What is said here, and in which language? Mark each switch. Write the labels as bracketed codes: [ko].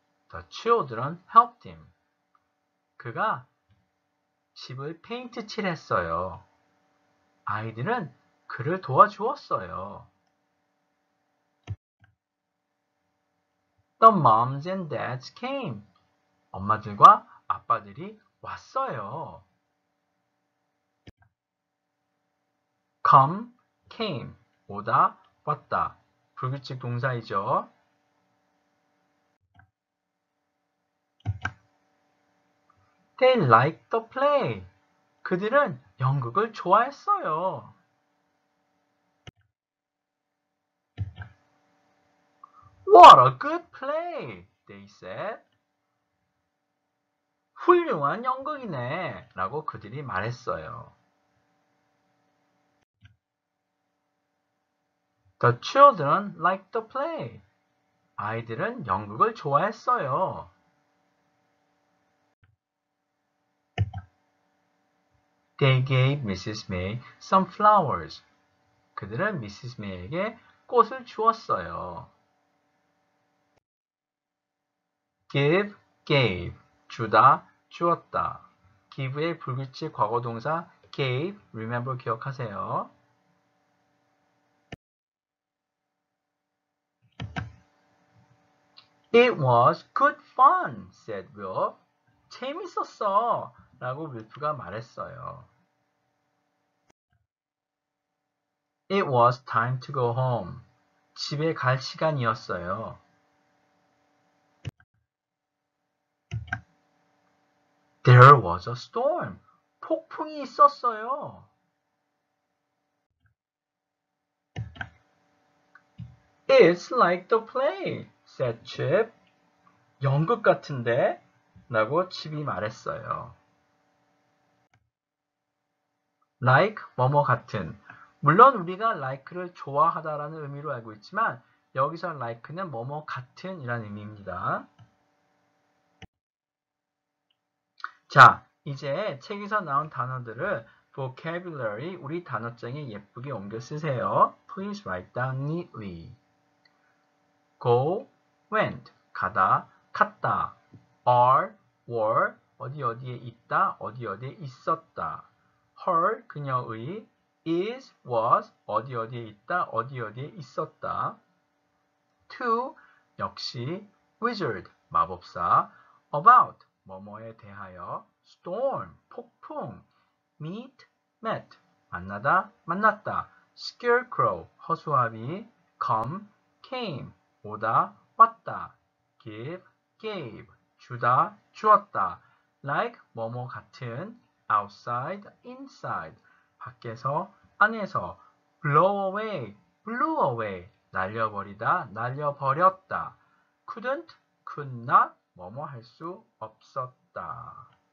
[en] The children helped him. [ko] 그가 집을 페인트 칠했어요. 아이들은 그를 도와주었어요. [en] The moms and dads came. [ko] 엄마들과 아빠들이 왔어요. [en] Come, came, [ko] 오다, 왔다. 불규칙 동사이죠. [en] They liked the play. [ko] 그들은 연극을 좋아했어요. [en] What a good play, they said. [ko] 훌륭한 연극이네 라고 그들이 말했어요. [en] The children liked the play. [ko] 아이들은 연극을 좋아했어요. [en] They gave Mrs. May some flowers. [ko] 그들은 [en] Mrs. [ko] May에게 꽃을 주었어요. [en] Give, gave, [ko] 주다, 주었다. give의 불규칙 과거 동사 gave, remember 기억하세요. [en] It was good fun, said Wilf. [ko] 재밌었어, 라고 윌프가 말했어요. [en] It was time to go home. [ko] 집에 갈 시간이었어요. [en] There was a storm. [ko] 폭풍이 있었어요. [en] It's like the play, said Chip. [ko] 연극 같은데? 라고 칩이 말했어요. Like, 뭐뭐 같은. 물론 우리가 like를 좋아하다라는 의미로 알고 있지만 여기서 like는 뭐뭐 같은이라는 의미입니다. 자, 이제 책에서 나온 단어들을 vocabulary, 우리 단어장에 예쁘게 옮겨 쓰세요. [en] Please write down neatly. Go, went, [ko] 가다, 갔다. [en] Are, were, [ko] 어디 어디에 있다, 어디 어디에 있었다. Her, 그녀의. Is, was, 어디 어디에 있다, 어디 어디에 있었다. To, 역시. Wizard, 마법사. About, 뭐뭐에 대하여. Storm, 폭풍. Meet, met, 만나다, 만났다. Scarecrow, 허수아비. [en] Come, came, [ko] 오다, 왔다. [en] Give, gave, [ko] 주다, 주었다. Like, 뭐뭐 같은. [en] Outside, inside, [ko] 밖에서, 안에서. [en] Blow away, blew away, [ko] 날려버리다, 날려버렸다. [en] Couldn't, could not, [ko] 뭐뭐 할 수 없었다.